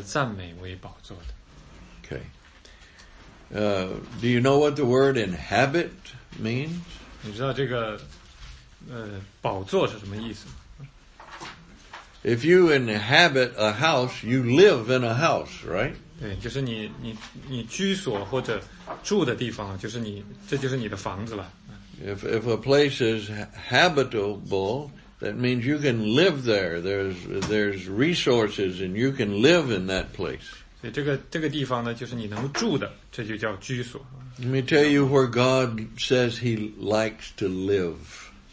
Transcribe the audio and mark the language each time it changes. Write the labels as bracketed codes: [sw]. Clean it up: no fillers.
[en] Okay. Do you know what the word inhabit means? [zh] 你知道这个, 宝座是什么意思? [en] If you inhabit a house, you live in a house, right? [zh] 对,就是你居所或者住的地方,就是你,这就是你的房子了。 [en] If a place is habitable, that means you can live there. There's resources and you can live in that place. [zh] 对,这个地方呢,就是你能住的,这就叫居所。 [en] Let me tell you where God says he likes to live.